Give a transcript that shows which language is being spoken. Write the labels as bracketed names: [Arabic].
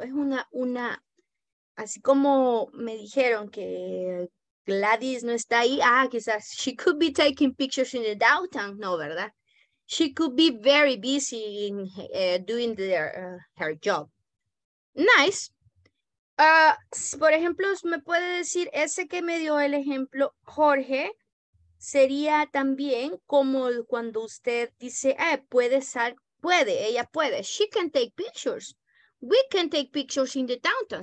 [Spanish] Es una, así como me dijeron que Gladys no está ahí. [English] Ah, [Spanish] quizás [English] she could be taking pictures in the downtown. [Spanish] No, ¿verdad? [English] She could be very busy in doing her job. Nice. [Spanish] Por ejemplo, me puede decir ese que me dio el ejemplo Jorge. Sería también como cuando usted dice, puede salir. Puede, ella puede. [English] She can take pictures. We can take pictures in the downtown.